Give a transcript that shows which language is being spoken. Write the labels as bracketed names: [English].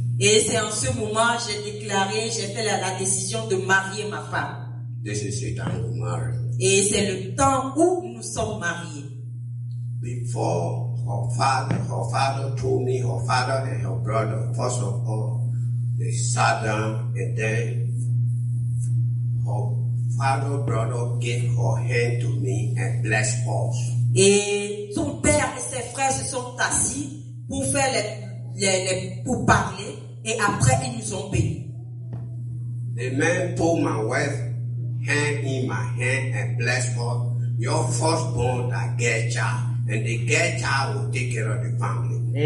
[French] Et c'est en ce moment j'ai déclaré, j'ai fait la décision de marier ma femme. [English] This is the time we marry. [French] Et c'est le temps où nous sommes mariés. [English] Before her father told me, her father and her brother, first of all, they sat down and then her father, brother gave her hand to me and blessed us. [French] Et son père et ses frères se sont assis pour faire pour parler et après ils nous ont bénis. [English] The man put my wife hand in my hand and blessed her. Your firstborn that get child. And the girl child will take care of the family.